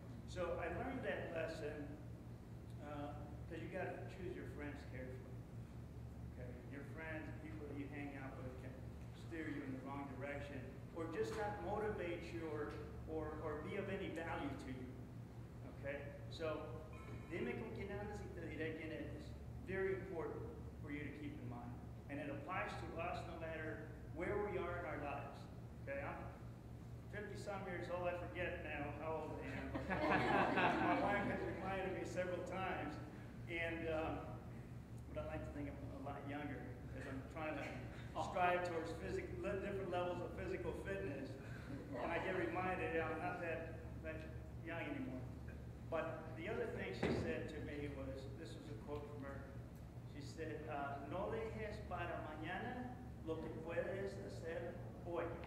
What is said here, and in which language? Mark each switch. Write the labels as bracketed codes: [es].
[en] So I learned that lesson because you got to choose your friends carefully. Okay? Your friends, people that you hang out with can steer you in the wrong direction or just not motivate you or be of any value to you. Okay? [es] So, dime con quien andas y te diré quien eres. [en] Very important for you to keep in mind. And it applies to us no matter where we are in our lives. Okay, I'm 50-some years old. I forget now how old I am. My wife has reminded me several times. And but I like to think I'm a lot younger because I'm trying to strive towards different levels of physical fitness. And I get reminded I'm not that young anymore. But the other thing she said to me was, this was a quote from her. [es] She said, no dejes para mañana lo que puedes hacer hoy.